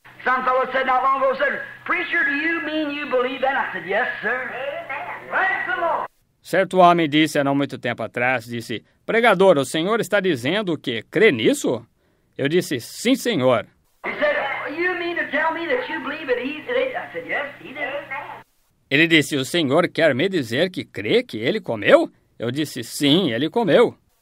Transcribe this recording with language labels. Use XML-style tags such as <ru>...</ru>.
<en>Some fellow said not long ago, said, preacher, do you mean you believe that? I said, yes, sir. Amen. Praise the Lord.</en> <pt>Certo homem disse há não muito tempo atrás, disse, pregador, o senhor está dizendo que crê nisso? Eu disse, sim, senhor.</pt> <en>He said, you mean to tell me that you believe it? I said, yes, he did. Amen.</en> <pt>Ele disse, o senhor quer me dizer que crê que ele comeu? Eu disse, sim, ele comeu.</pt>